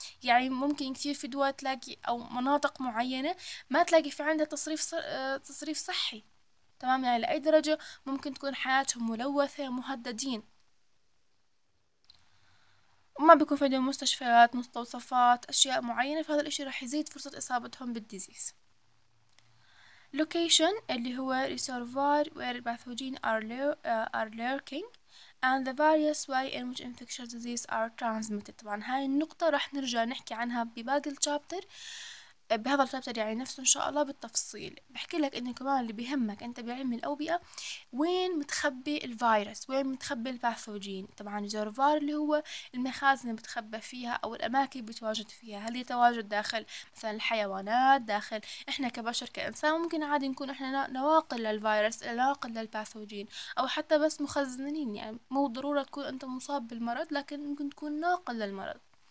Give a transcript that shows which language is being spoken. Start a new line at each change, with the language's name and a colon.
Arabic: يعني ممكن كثير في دول تلاقي او مناطق معينه ما تلاقي في عندها تصريف صحي. تمام، يعني لاي درجه ممكن تكون حياتهم ملوثه مهددين، وما بيكون في عندهم مستشفيات، مستوصفات، اشياء معينه، فهذا الاشي راح يزيد فرصه اصابتهم بالديزيز.
English: location
Arabic: اللي هو
English: reservoir where pathogen are lurking and the various way in which infectious disease are transmitted.
Arabic: طبعا هاي النقطة راح نرجع نحكي عنها بباقي الشابتر، بهذا الشابتر يعني نفسه ان شاء الله بالتفصيل. بحكي لك انه كمان اللي بيهمك انت بعلم الاوبئة وين متخبي الفيروس، وين متخبي الباثوجين. طبعا الريزرفوار اللي هو المخازن اللي بتخبى فيها او الاماكن بتواجد فيها، هل يتواجد داخل مثلا الحيوانات، داخل احنا كبشر كانسان ممكن عادي نكون احنا نواقل للفيروس، نواقل للباثوجين، او حتى بس مخزنين، يعني مو ضرورة تكون انت مصاب بالمرض لكن ممكن تكون ناقل للمرض.